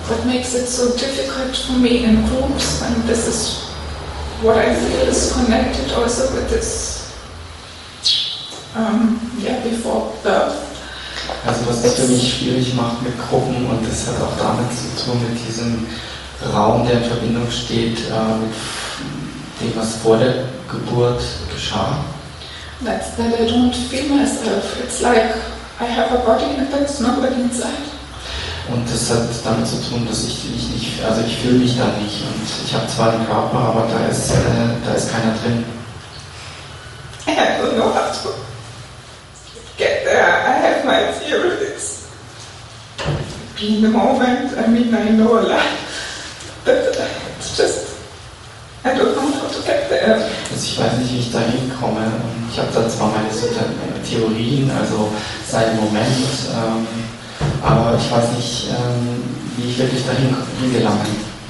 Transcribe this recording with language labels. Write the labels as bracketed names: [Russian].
[English] It's so difficult for me in groups, and this is what I feel is connected also with this, before birth. [German] Also was es für mich schwierig macht mit Gruppen, und das hat auch damit zu tun, mit diesem Raum, der in Verbindung steht, mit dem, was vor der Geburt geschah. [English] That's that I don't feel myself. It's like I have a body and there's nobody inside. [German] Und das hat damit zu tun, dass ich mich nicht, also ich fühle mich da nicht. Und ich habe zwar den Körper, aber da ist keiner drin. [English] I don't know how to get there. I have my theories. In the moment, I mean, I know a lot. But it's just, I don't know how to get there. [German] Also ich weiß nicht, wie ich da hinkomme. Ich habe da zwar meine Theorien, also sei im Moment. Aber ich weiß nicht, wie ich wirklich dahin gelangt bin.